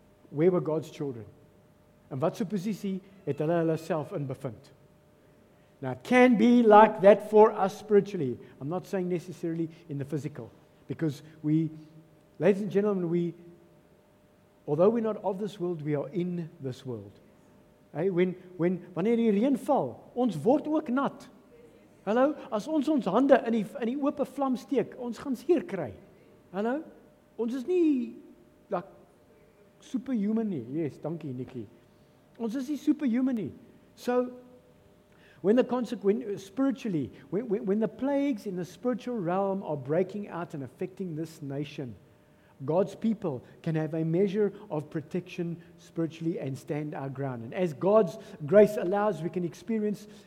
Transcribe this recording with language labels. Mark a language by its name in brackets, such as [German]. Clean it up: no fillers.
[English] Where were God's children? [Afrikaans] En wat se posisie het hulle hulle self in bevind? [English] Now, it can be like that for us spiritually. I'm not saying necessarily in the physical. Because we, ladies and gentlemen, we, although we're not of this world, we are in this world. [Afrikaans] Hey, wanneer die reën val, ons word ook nat. Hallo, as ons hande in die oop vlam steek, ons gaan seer kry. Hallo, ons is nie like superhuman nie. Yes, dankie Nikki. Ons is nie superhuman nie. [English] So, when the plagues in the spiritual realm are breaking out and affecting this nation, God's people can have a measure of protection spiritually and stand our ground. And as God's grace allows, we can experience